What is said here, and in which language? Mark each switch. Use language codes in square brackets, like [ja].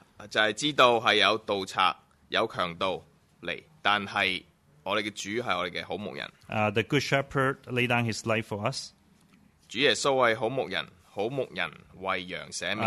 [yue] 就系知道系有盗贼、有强盗嚟，但系。我哋嘅主系我哋嘅好牧人。 [en] The good shepherd lay down his life for us。 [yue] 主耶稣系好牧人，好牧人为羊舍命。